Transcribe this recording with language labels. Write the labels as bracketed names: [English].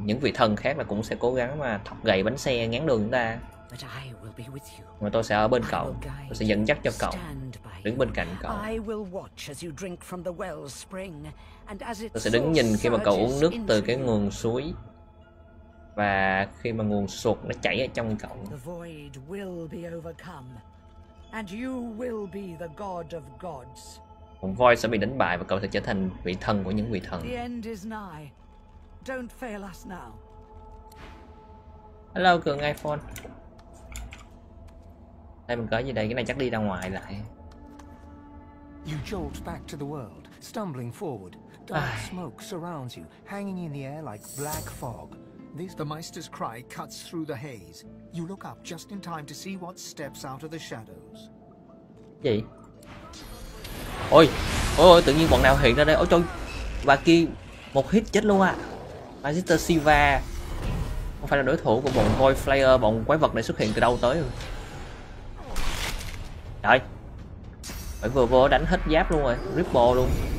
[Vietnamese] Những vị thần khác là cũng sẽ cố gắng mà thọc gậy bánh xe ngán đường chúng ta. [English] But I will be with you. [Vietnamese] Mà tôi sẽ ở bên cậu, tôi sẽ dẫn dắt cho cậu, đứng bên cạnh cậu. [English] I will watch as you drink from the well spring, and as it. [Vietnamese] Tôi sẽ đứng nhìn khi mà cậu uống nước từ cái nguồn suối và khi mà nguồn sụt nó chảy ở trong cậu. [English] The void will be overcome, and you will be the god of gods. [Vietnamese] Vùng void sẽ bị đánh bại và cậu sẽ trở thành vị thần của những vị thần. [English] The end is nigh. Don't fail us now. Hello cường iPhone. [Vietnamese] Đây mình có gì đây? Cái này chắc đi ra ngoài lại. [English] You jolt back to the world, stumbling forward. Dark smoke surrounds you, hanging in the air like black fog. This the Meister's cry cuts through the haze. You look up just in time to see what steps out of the shadows. [Vietnamese] Gì? Ôi, ôi tự nhiên bọn nào hiện ra đây? Ôi trời, bà kia một hit chết luôn à? Meister Siva không phải là đối thủ của bọn Void Flayer, bọn quái vật này xuất hiện từ đâu tới rồi? Trời, phải vừa vô đánh hết giáp luôn rồi, ripple luôn.